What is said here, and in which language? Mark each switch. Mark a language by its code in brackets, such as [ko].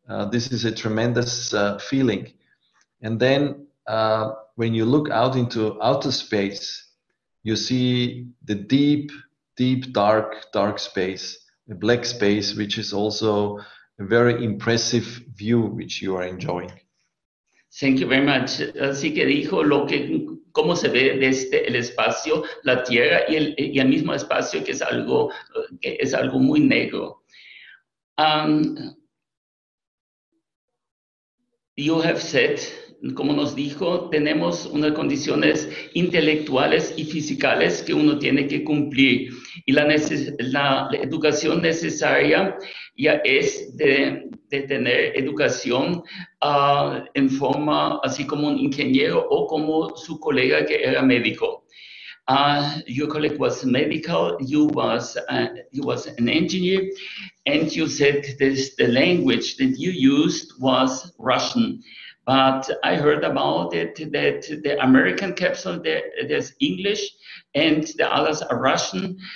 [en] This is a tremendous feeling. And then when you look out into outer space, you see the deep, deep, dark, dark space, the black space, which is also a very impressive view, which you are enjoying. Thank you very much. [es] Así que dijo lo que, cómo se ve desde el espacio, la Tierra y el mismo espacio, que es algo muy negro. [en] You have said, [es] como nos dijo, tenemos unas condiciones intelectuales y fisicales que uno tiene que cumplir. y la educación necesaria ya es de tener educación en forma así como un ingeniero o como su colega que era médico. [en] Your colleague was medical, you was an engineer, and you said this, the language that you used was Russian. But I heard about it, that the American capsule, there's English, and the others are Russian.